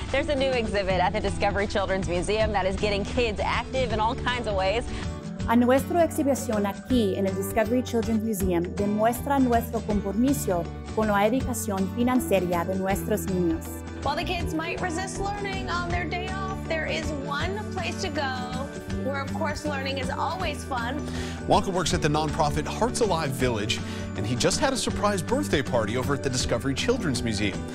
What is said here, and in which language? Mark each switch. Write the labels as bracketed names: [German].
[English] There's a new exhibit at the Discovery Children's Museum that is getting kids active in all kinds of ways. [Spanish] A nuestra exhibición aquí en el Discovery Children's Museum demuestra nuestro compromiso con la educación financiera de nuestros niños. [English] While the kids might resist learning on their day off, there is one place to go where, of course, learning is always fun. Wonka works at the nonprofit Hearts Alive Village, and he just had a surprise birthday party over at the Discovery Children's Museum.